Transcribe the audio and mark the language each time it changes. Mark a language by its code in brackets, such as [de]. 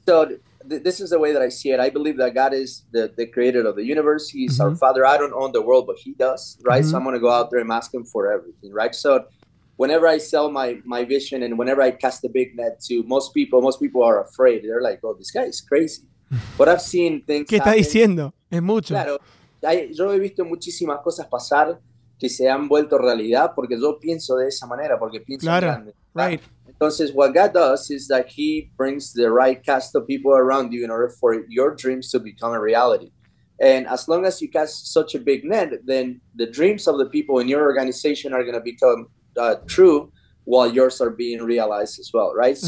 [en] So this is the way that I see it. I believe that God is the creator of the universe. He's our father. I don't own the world, but he does. Right? Mm-hmm. So I'm going to go out there and ask him for everything. Right? So whenever I sell my vision and whenever I cast a big net to most people are afraid. They're like, oh, this guy is crazy. But I've seen things. [es] ¿Qué está diciendo? Es mucho. Claro. Yo he visto muchísimas cosas pasar que se han vuelto realidad porque yo pienso de esa manera, porque pienso claro. Grande. [en] Right. [es] Entonces, [en] what God does is that he brings the right cast of people around you in order for your dreams to become a reality. And as long as you cast such a big net, then the dreams of the people in your organization are going to become true while yours are being realized as well, right?